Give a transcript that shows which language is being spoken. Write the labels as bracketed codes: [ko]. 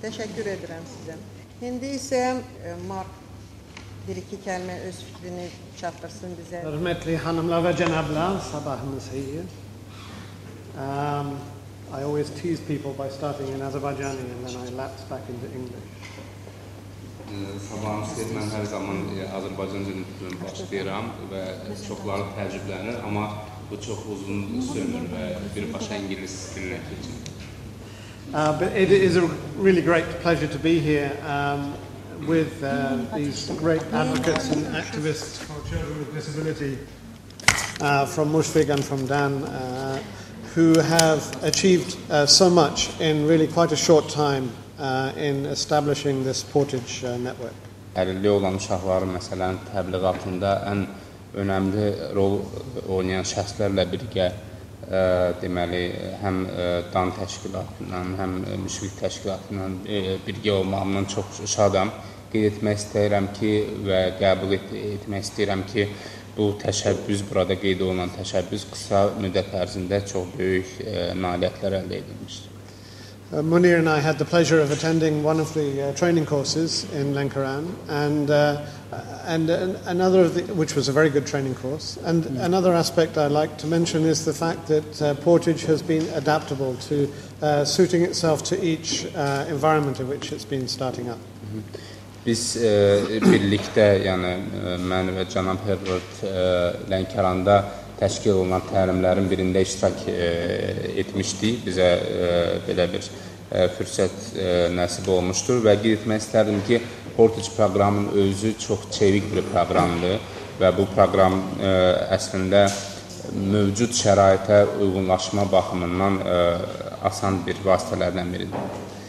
[az] Təşəkkür edirəm sizə. İndi isə Mark bir iki kəlmə öz fikrini çatdırsın bizə. Hörmətli xanımlar və cənablar, sabahınız xeyir. [en] I always tease people by starting in Azerbaijani and then I lapse back into English. [az] Sabahınız xeyir, mən hər zaman Azərbaycanca başlayıram və çoxları təəccüblənir, amma bu çox uzun sürmür və birbaşa ingilis dilinə keçir. [en] But it is a really great pleasure to be here with these great advocates and activists for children with disability from Mushfiq and from Dan, who have achieved so much in really quite a short time in establishing this Portage network. [az] Əlilliyi olan uşaqların məsələn təbliğatında ən önəmli rol oynayan şəxslərlə birgə deməli həm DAN təşkilatından, həm Müşfiq təşkilatından birgə olmağımdan çox şadam. Qeyd etmək istəyirəm ki və qəbul etmək istəyirəm ki bu təşəbbüs, burada qeyd olunan təşəbbüs qısa müddət ərzində çox böyük nailiyyətlər əldə edilmişdir. [en] Munir and I had the pleasure of attending one of the training courses in Lenkəran and another of the, which was a very good training course, and another aspect I'd like to mention is the fact that Portage has been adaptable to suiting itself to each environment in which it's been starting up. [az] Biz birlikdə, yəni mən və cənab Herbert Lənkəranda təşkil olunan təlimlərin birində iştirak etmişdik. Bizə belə bir fürsət nəsib olmuşdur və qeyd etmək istərdim ki, Portage proqramının özü çox çevik bir proqramdır və bu proqram əslində mövcud şəraitə uyğunlaşma baxımından asan bir vasitələrdən biridir.